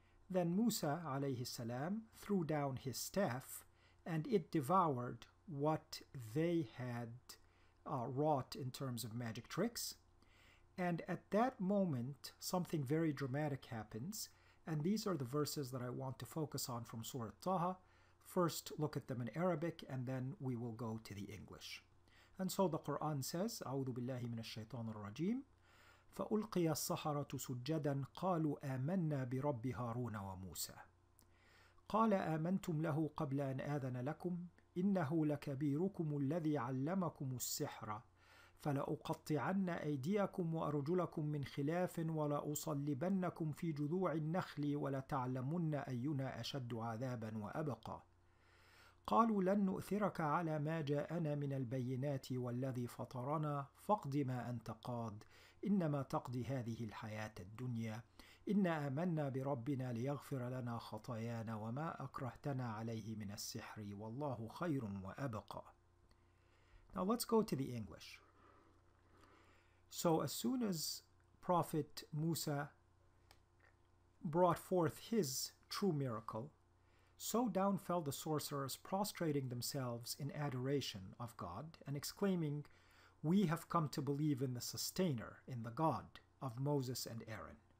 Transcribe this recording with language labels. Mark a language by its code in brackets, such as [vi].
[en] Then Musa, alayhi salam, threw down his staff, and it devoured what they had wrought in terms of magic tricks. And at that moment, something very dramatic happens. And these are the verses that I want to focus on from Surah Taha. First, look at them in Arabic, and then we will go to the English. And so the Quran says, [ar] أعوذ بالله من الشيطان الرجيم فألقي الصحرة سجدا قالوا آمنا برب هارون وموسى قال آمنتم له قبل أن آذن لكم إنه لكبيركم الذي علمكم السحر فلأقطعن أيديكم وأرجلكم من خلاف ولأصلبنكم في جذوع النخل ولتعلمن أينا أشد عذابا وأبقى قالوا لن نؤثرك على ما جاءنا من البينات والذي فطرنا فاقض ما أنت قاض إنما تقضي هذه الحياة الدنيا إنا آمنا بربنا ليغفر لنا خطايانا وما أكرهتنا عليه من السحر والله خير وأبقى. [en] Now let's go to the English. So as soon as Prophet Musa brought forth his true miracle, so down fell the sorcerers, prostrating themselves in adoration of God and exclaiming, "We have come to believe in the sustainer, in the God of Moses and Aaron."